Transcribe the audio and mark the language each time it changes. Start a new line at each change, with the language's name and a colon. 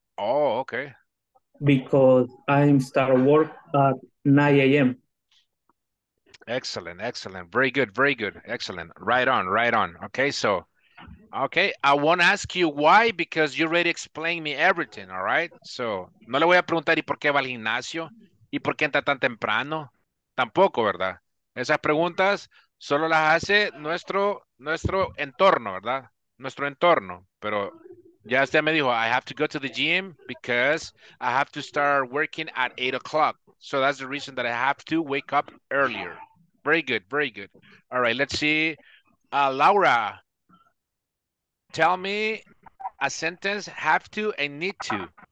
English: Oh, okay. Because I start work at 9 a.m. Excellent, excellent. Very good, very good. Excellent. Right on, right on. Okay, so, okay. I won't ask you why because you already explained me everything, all right?
Spanish: So, no le voy a preguntar y por qué va al gimnasio y por qué entra tan temprano. Tampoco, ¿verdad? Esas preguntas solo las hace nuestro entorno, ¿verdad? Nuestro entorno. Pero ya usted me dijo,
English: I have to go to the gym because I have to start working at 8 o'clock. So, that's the reason that I have to wake up earlier. Very good, very good. All right, let's see. Laura, tell me a sentence, have to and need to.